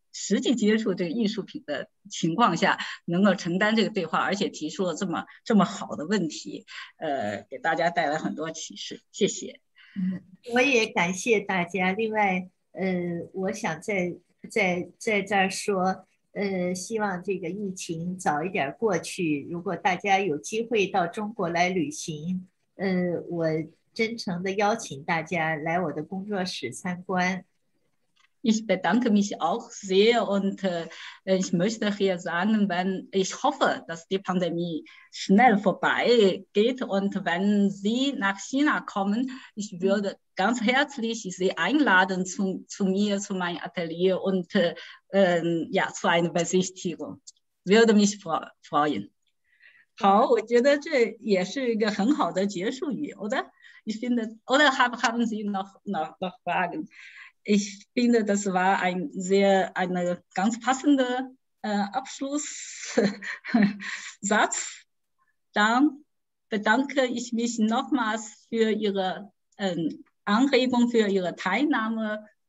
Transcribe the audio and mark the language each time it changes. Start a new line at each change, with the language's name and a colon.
Chinese: 实际接触这个艺术品的情况下，能够承担这个对话，而且提出了这么好的问题，给大家带来很多启示。谢谢。我也感谢大家。另外，我想在这儿说，希望这个疫情早一点过去。如果大家有机会到中国来旅行，我真诚的邀请大家来我的工作室参观。
German: Ich bedanke mich auch sehr und ich möchte hier sagen, wenn ich hoffe, dass die Pandemie schnell vorbei geht und wenn Sie nach China kommen, ich würde ganz herzlich Sie einladen zu mir, zu meinem Atelier und zu einer Besichtigung. Würde mich freuen.
Chinese: 好，我觉得这也是一个很好的结束语，
German: oder? Ich finde, oder haben Sie noch Fragen? Ich finde, das war ein sehr, eine ganz passende Abschlusssatz. Dann bedanke ich mich nochmals für Ihre Anregung, für Ihre Teilnahme.